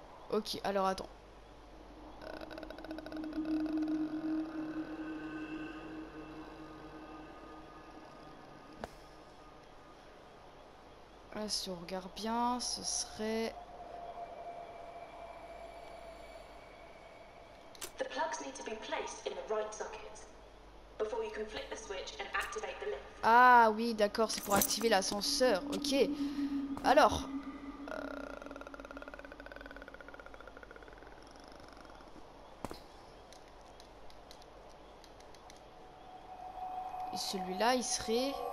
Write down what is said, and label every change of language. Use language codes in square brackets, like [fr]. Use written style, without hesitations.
[fr] Ok, alors attends. Là, si on regarde bien, ce serait... [en] The plugs need to be placed in the right socket before you can flip the switch and activate the lift. [fr] Ah oui, d'accord, c'est pour activer l'ascenseur. Ok. Alors... Et celui-là, il serait...